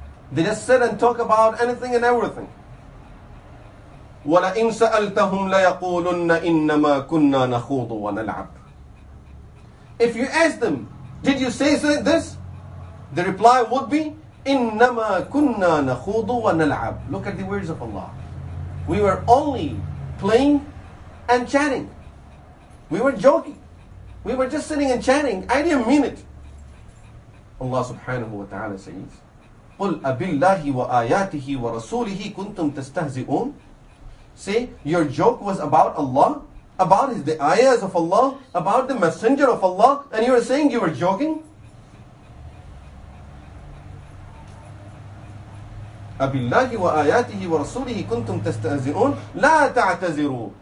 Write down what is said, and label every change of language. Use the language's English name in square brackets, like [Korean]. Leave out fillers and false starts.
[English] They just sit and talk about anything and everything. [Arabic] وَلَئِن سَأَلْتَهُمْ لَيَقُولُنَّ إِنَّمَا كُنَّا نَخُوضُ وَنَلْعَبُ. [English] If you ask them, did you say this? The reply would be, [Arabic] إِنَّمَا كُنَّا نَخُوضُ وَنَلْعَبُ. [English] Look at the words of Allah. We were only playing and chatting. We were joking. We were just sitting and chatting. I didn't mean it. [Arabic] Allah subhanahu wa ta'ala says, قُلْ أَبِاللَّهِ وَآيَاتِهِ وَرَسُولِهِ كُنْتُمْ تَسْتَهْزِئُونَ. [English] Say, your joke was about Allah, about the ayahs of Allah, about the messenger of Allah, and you were saying you were joking? [Arabic] أَبِاللَّهِ وَآيَاتِهِ وَرَسُولِهِ كُنْتُمْ تَسْتَهْزِئُونَ لَا تَعْتَزِرُوا.